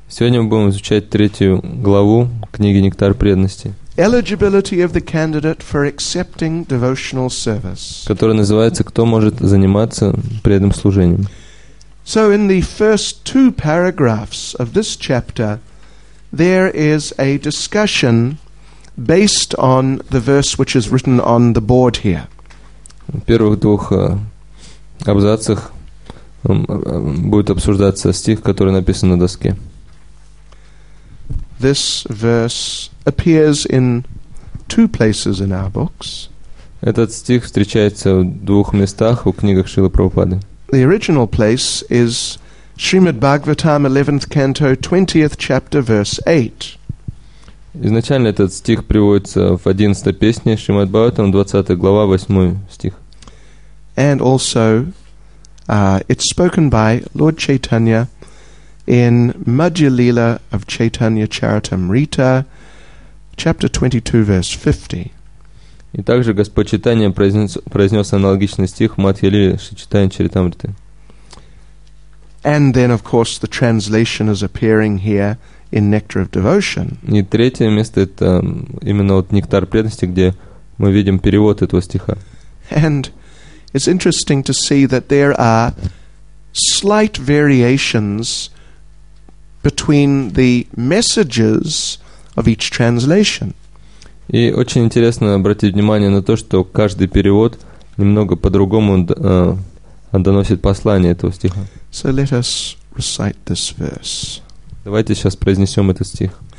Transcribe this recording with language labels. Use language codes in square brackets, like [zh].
[ru] Сегодня мы будем изучать третью главу книги «Нектар преданности». [en] Eligibility of the candidate for accepting devotional service. [ru] Которая называется «Кто может заниматься преданным служением». [en] So in the first two paragraphs of this chapter, there is a discussion based on the verse which is written on the board here. [ru] В первых двух абзацах будет обсуждаться стих, который написан на доске. [en] This verse appears in two places in our books. [ru] Этот стих встречается в двух местах в книгах Шрилы Прабхупады. [en] The original place is Srimad Bhagavatam, 11th canto, 20th chapter, verse 8. [ru] Изначально этот стих приводится в 11-й песне Шримад Бхагаватам, 20 глава, 8 стих. [en] And also it's spoken by Lord Chaitanya in Madhya Lila of Chaitanya Charitamrita, chapter 22, verse 50. [ru] И также Господь Чайтанья произнес аналогичный стих в Мадхья Лиле Шри Чайтанья Чаритамриты. [en] And then, of course, the translation is appearing here in Nectar of Devotion. [ru] И третье место – это именно вот «Нектар преданности», где мы видим перевод этого стиха. [en] And it's interesting to see that there are slight variations between the messages of each translation. [ru] И очень интересно обратить внимание на то, что каждый перевод немного по-другому доносит послание этого стиха. [en] So let us recite this verse. [ru] Давайте сейчас произнесем этот стих.